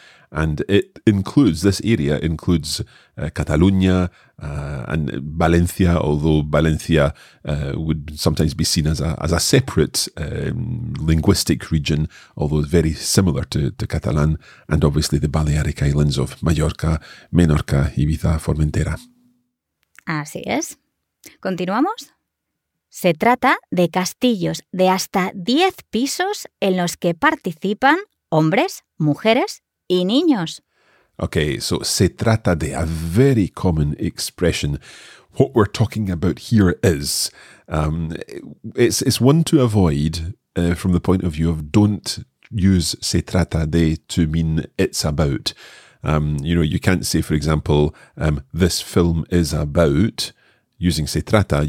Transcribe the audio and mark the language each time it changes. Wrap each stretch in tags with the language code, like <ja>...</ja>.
<en>And it includes, this area includes Catalunya and Valencia, although Valencia would sometimes be seen as a separate linguistic region, although very similar to Catalan, and obviously the Balearic Islands of Mallorca, Menorca, Ibiza, Formentera.</en> <es>Así es. ¿Continuamos? Se trata de castillos de hasta 10 pisos en los que participan hombres, mujeres y niños.</es> <en>Okay, so se trata de a very common expression. What we're talking about here is, it's one to avoid from the point of view of don't use se trata de to mean it's about. You know, you can't say, for example, this film is about using se trata.</en>